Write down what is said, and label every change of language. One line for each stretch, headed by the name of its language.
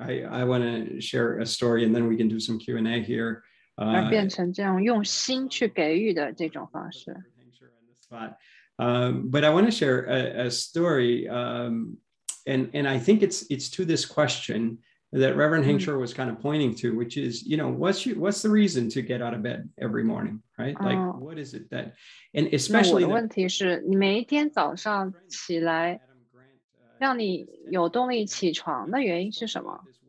English: I want to share a story and then we can do some Q&A here.
Chinese: 而变成这样用心去给予的这种方式。
English: But I want to share a story, and I think it's to this question that Reverend Hengshire was kind of pointing to, which is, you know, what's the reason to get out of bed every morning, right? Like, what is it that, and especially...
Chinese: 那我的问题是你每一天早上起来让你有动力起床的原因是什么？